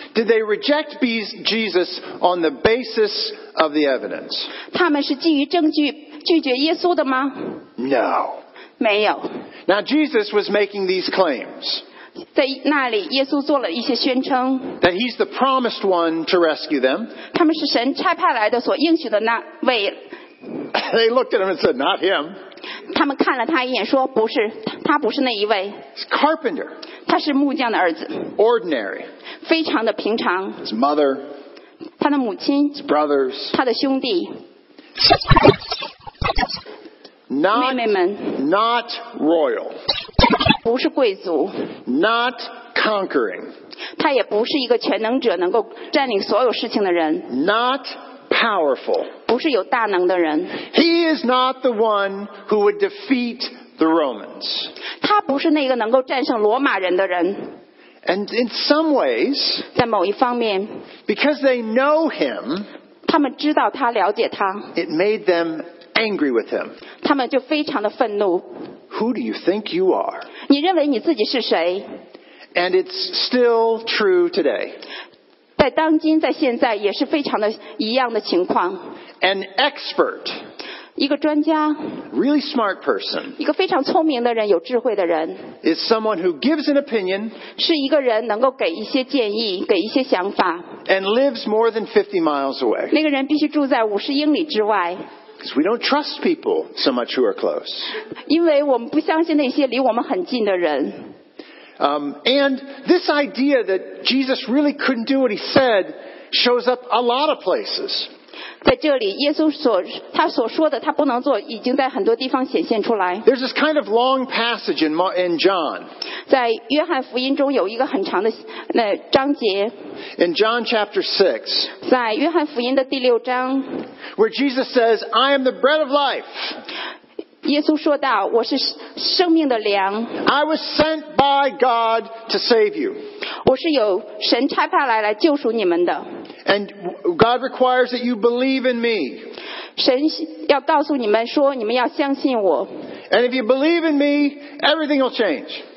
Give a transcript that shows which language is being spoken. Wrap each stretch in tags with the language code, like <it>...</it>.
<en>Did they reject Jesus on the basis of the evidence?</en> <zh>他们是基于证据拒绝耶稣的吗?</zh> <en>No.</en> <zh>没有。</zh> <en>Now Jesus was making these claims.</en> <zh>在那里耶稣做了一些宣称。</zh> <en>That he's the promised one to rescue them.</en> <zh>他们是神差派来的所应许的那位。</zh> <en>They looked at him and said, not him.</en> <zh>他们看了他一眼说不是他不是那一位</zh> <en>He's a carpenter</en> <zh>他是木匠的儿子</zh> <en>Ordinary</en> <zh>非常的平常</zh> <en>His mother</en> <zh>他的母亲</zh> <en>His brothers</en> <zh>他的兄弟</zh> <en>Not royal</en> <zh>不是贵族</zh> <en>Not conquering</en> <zh>他也不是一个全能者能够占领所有事情的人</zh> <en>NotPowerful.</en> <zh>不是有大能的人。</zh> <en>He is not the one who would defeat the Romans.</en> <zh>他不是那个能够战胜罗马人的人。</zh> <en>And in some ways,</en> <zh>在某一方面,</zh> <en>because they know him,</en> <zh>他们知道他了解他,</zh> <en>it made them angry with him.</en> <zh>他们就非常的愤怒。</zh> <en>Who do you think you are?</en> <zh>你认为你自己是谁?</zh> <en>And it's still true today.</en> <zh>在当今在现在也是非常的一样的情况</zh> <en>An expert</en> <zh>一个专家</zh> <en>Really smart person</en> <zh>一个非常聪明的人有智慧的人</zh> <en>Is someone who gives an opinion</en> <zh>是一个人能够给一些建议给一些想法</zh> <en>And lives more than 50 miles away</en> <zh>那个人必须住在50英里之外</zh> <en>Because we don't trust people so much who are close</en> <zh>因为我们不相信那些离我们很近的人</zh> <en>And this idea that Jesus really couldn't do what he said shows up a lot of places.</en> <zh>在这里，耶稣所他所说的他不能做，已经在很多地方显现出来。</zh> <en>There's this kind of long passage in John.</en> <zh>在约翰福音中有一个很长的那章节。</zh> <en>In John chapter 6.</en> <zh>在约翰福音的第六章。</zh> <en>Where Jesus says, "I am the bread of life."</en> <zh>耶稣说道，我是生命的粮。</zh> <en>I was sent by God to save you.</en> <zh>我是有神差派来来救赎你们的。</zh> <en>And God requires that you believe in me.</en> <zh>神要告诉你们说，你们要相信我。</zh> <en>And if you believe in me, everything will change.</en>